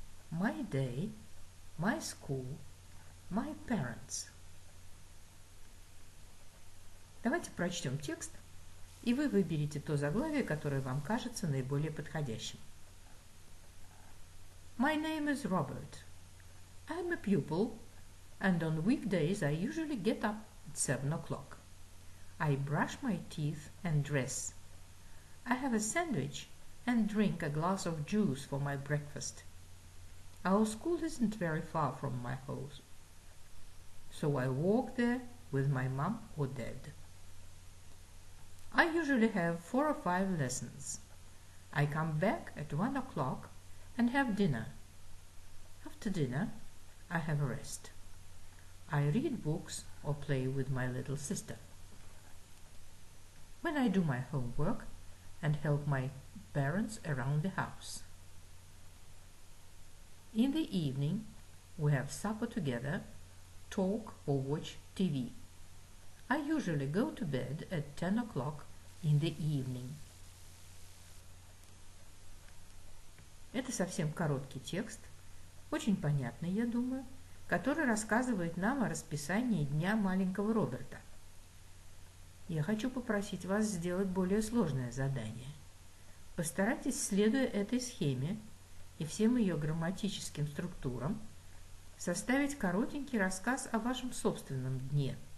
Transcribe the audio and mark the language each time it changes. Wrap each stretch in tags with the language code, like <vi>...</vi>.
<en>My day, my school, my parents.</en> <ru>Давайте прочтем текст, и вы выберете то заглавие, которое вам кажется наиболее подходящим.</ru> <en>My name is Robert. I'm a pupil, and on weekdays I usually get up at 7 o'clock. I brush my teeth and dress. I have a sandwich and drink a glass of juice for my breakfast. Our school isn't very far from my house, so I walk there with my mom or dad. I usually have 4 or 5 lessons. I come back at 1 o'clock and have dinner. After dinner, I have a rest. I read books or play with my little sister. When I do my homework, and help my parents around the house. In the evening, we have supper together, talk or watch TV. I usually go to bed at 10 o'clock in the evening.</en> <ru>Это совсем короткий текст, очень понятный, я думаю, который рассказывает нам о расписании дня маленького Роберта. Я хочу попросить вас сделать более сложное задание. Постарайтесь, следуя этой схеме и всем ее грамматическим структурам, составить коротенький рассказ о вашем собственном дне.</ru>